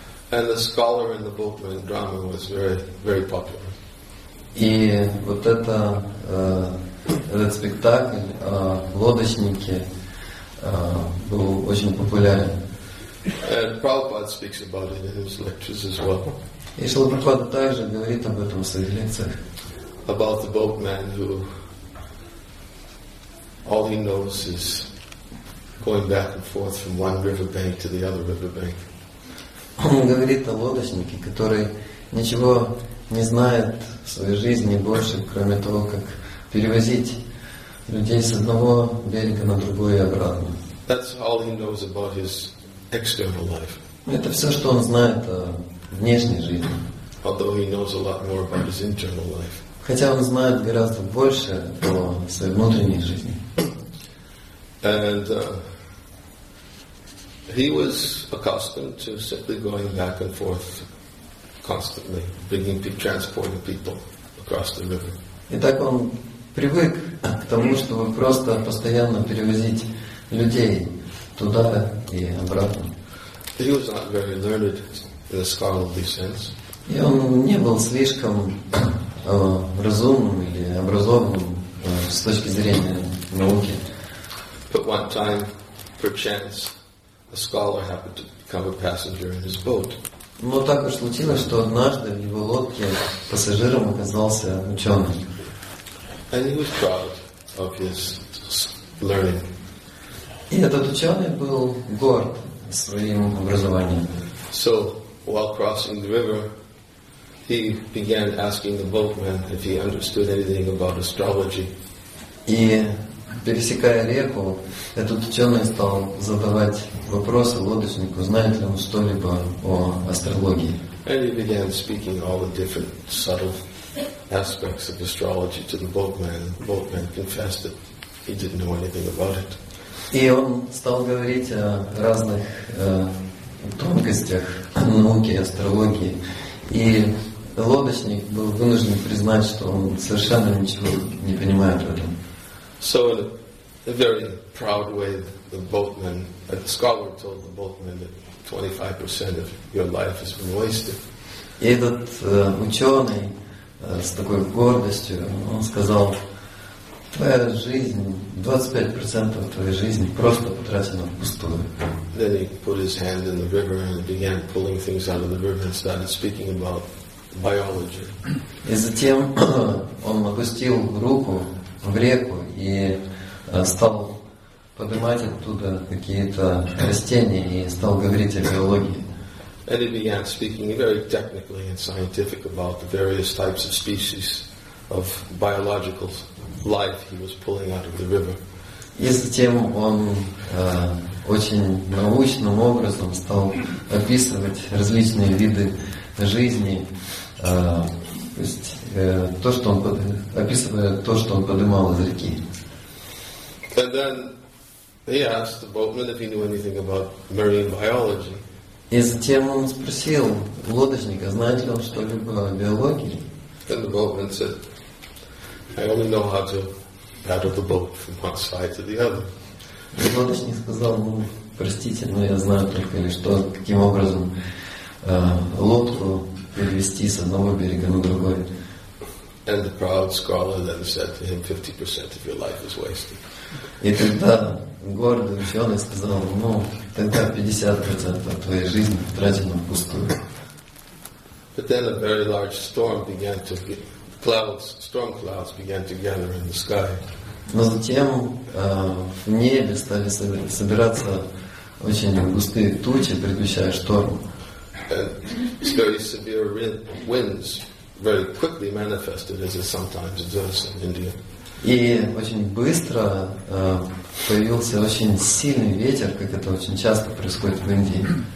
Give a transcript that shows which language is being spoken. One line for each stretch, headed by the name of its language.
English: And the scholar and the boatman drama was very, very popular.
Russian: И вот это этот спектакль лодочники был очень популярен.
English: And Prabhupada speaks about it in his lectures as well.
Russian: И Шрила Прабхупада также говорит об этом в своих лекциях.
English: About the boatman who All he knows is going back and forth from one riverbank to the other riverbank.
Russian: Он говорит о лодочнике, который ничего не знает в своей жизни больше, кроме того, как перевозить людей с одного берега на другой и обратно.
English: That's all he knows about his external life.
Russian: Это все, что он знает о внешней жизни.
English: Although he knows a lot more about his internal life.
Russian: Хотя он знает гораздо больше о своей внутренней жизни.
English: And he was accustomed to simply going back and forth constantly, bringing people, transporting people across the river.
Russian: И так он привык к тому, чтобы просто постоянно перевозить людей туда и обратно.
English: He was not very learned in a scholarly sense.
Russian: И он не был слишком разумным или образованным с точки зрения науки.
English: But one time, perchance, a scholar happened to become a passenger in his boat.
Russian: Но так уж случилось, что однажды в его лодке пассажиром оказался ученый.
English: And he was proud of his learning.
Russian: И этот ученый был горд своим образованием.
English: So, while crossing the river, he began asking the boatman if he understood anything about astrology.
Russian: И пересекая реку, этот ученый стал задавать вопросы лодочнику, знает ли он что-либо о астрологии.
English: And he began speaking all the different subtle aspects of astrology to the boatman. The boatman confessed that he didn't know anything about it.
Russian: И он стал говорить о разных тонкостях науки астрологии. И лодочник был вынужден признать, что он совершенно ничего не понимает в этом.
English: So in a very proud way, the boatman, a scholar told the boatman that 25% of your life has been wasted.
Russian: И этот ученый с такой гордостью, он сказал, твоя жизнь, 25% твоей жизни просто потрачена впустую.
English: Then he put his hand in the river and began pulling things out of the river and started speaking about biology.
Russian: И затем он опустил руку в реку и стал поднимать оттуда какие-то растения и стал говорить о биологии.
English: And he began speaking very technically and scientific about the various types of species of biological life he was pulling out of the river.
Russian: И затем он очень научным образом стал описывать различные виды жизни, то есть то, что он описывая то, что он поднимал из реки.
English: And then he asked the boatman if he knew anything about marine biology.
Russian: И затем он спросил лодочника, знает ли он что-либо о биологии.
English: And the boatman said, I only know how to paddle the boat from one side to the other.
Russian: И лодочник сказал, ну, простите, но я знаю только лишь, что каким образом лодку перевести с одного берега на другой.
English: And the proud scholar then said to him, 50% of your life is wasted.
Russian: И тогда гордый ученый сказал, ну, тогда 50% твоей жизни потрачено впустую.
English: But then a very large storm began to clouds, storm clouds began to gather in the sky.
Russian: Но затем в небе стали собираться очень густые тучи, предвещая шторм.
English: And very severe winds very quickly manifested, as it sometimes does in India.
Russian: И очень быстро появился очень сильный ветер, как это очень часто происходит в Индии.